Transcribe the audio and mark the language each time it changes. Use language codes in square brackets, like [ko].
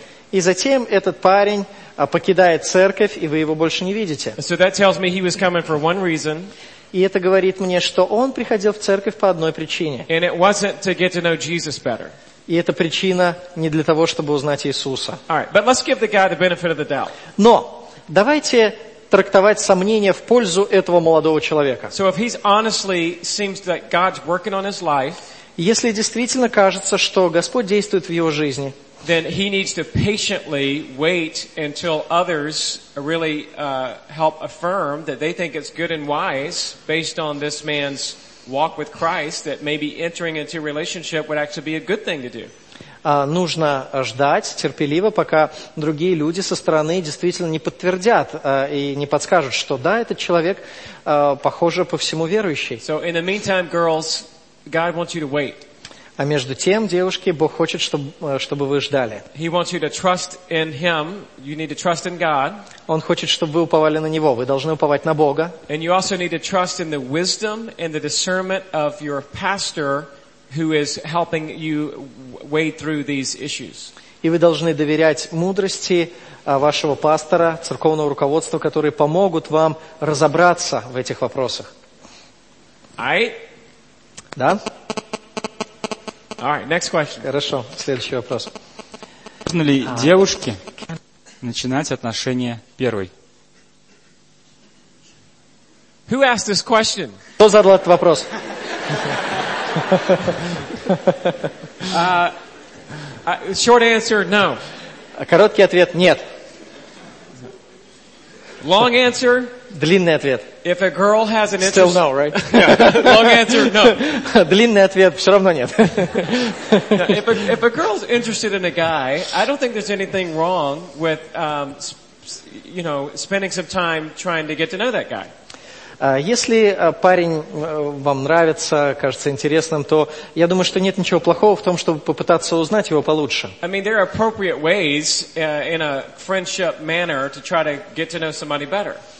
[ru] И затем этот парень покидает церковь, и вы его больше не видите. [en] So that tells me he was coming for one reason. [ru] И это говорит мне, что он приходил в церковь по одной причине. [en] And it wasn't to get to know Jesus better. [ru] И эта причина не для того, чтобы узнать Иисуса. [en] All right, but let's give the guy the benefit of the doubt. [ru] Но давайте трактовать сомнения в пользу этого молодого человека. [en] So if he's honestly seems that God's working on his life, [ru] если действительно кажется, что Господь действует в его жизни, [en] then he needs to patiently wait until others really help affirm that they think it's good and wise based on this man's walk with Christ that maybe entering into a relationship would actually be a good thing to do. [ru] Нужно ждать терпеливо, пока другие люди со стороны действительно не подтвердят и не подскажут, что да, этот человек похоже по всему верующий. [en] So in the meantime, girls, God wants you to wait. [ru] А между тем, девушки, Бог хочет, чтобы вы ждали. [en] He wants you to trust in him. You need to trust in God. [ru] Он хочет, чтобы вы уповали на Него. Вы должны уповать на Бога. [en] And you also need to trust in the wisdom and the discernment of your pastor who is helping you wade through these issues. [ru] И вы должны доверять мудрости вашего пастора, церковного руководства, которые помогут вам разобраться в этих вопросах. [en] Right. [ru] Да? [en] All right, next question. [ru] Хорошо, следующий вопрос. Можно ли девушке начинать отношения первой? [en] Who asked this question? [ru] Кто задал этот вопрос? [en] Short answer, no. [ru] Короткий ответ, нет. [en] Long answer. [ru] Длинный ответ. [en] If a girl has an interest, still no, right? Yeah. Long answer, no. [ru] Длинный ответ, все равно нет. [en] If a girl's interested in a guy, I don't think there's anything wrong with spending some time trying to get to know that guy. [ru] Если парень вам нравится, кажется интересным, то я думаю, что нет ничего плохого в том, чтобы попытаться узнать его получше. [en] I mean, there are appropriate ways in a friendship manner to try to get to know somebody better.